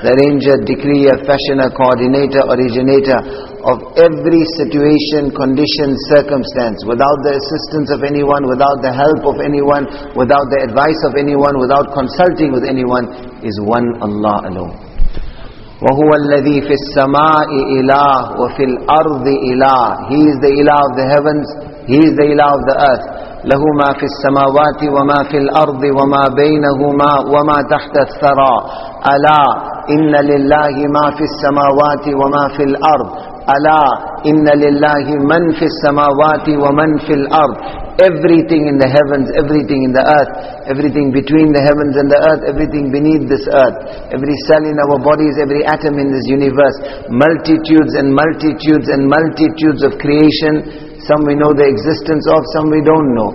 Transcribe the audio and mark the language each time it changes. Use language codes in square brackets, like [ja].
[en] The arranger, decreer, fashioner, coordinator, originator of every situation, condition, circumstance. Without the assistance of anyone, without the help of anyone, without the advice of anyone, without consulting with anyone, is one Allah alone. [ar] وَهُوَ الَّذِي فِي السَّمَاءِ إِلَهُ وَفِي الْأَرْضِ إِلَهُ [en] He is the ilah of the heavens He is the ilah of the earth. [ar] لَهُ مَا فِي السَّمَاوَاتِ وَمَا فِي الْأَرْضِ وَمَا بَيْنَهُمَا وَمَا تَحْتَ الثَّرَى أَلَا إِنَّ لِلَّهِ مَا فِي السَّمَاوَاتِ وَمَا فِي الْأَرْضِ أَلَا إِنَّ لِلَّهِ مَنْ فِي السَّمَاوَاتِ وَمَنْ فِي الْأَرْضِ [en] Everything in the heavens, everything in the earth, everything between the heavens and the earth, everything beneath this earth, every cell in our bodies, every atom in this universe, multitudes and multitudes and multitudes of creation, some we know the existence of, some we don't know.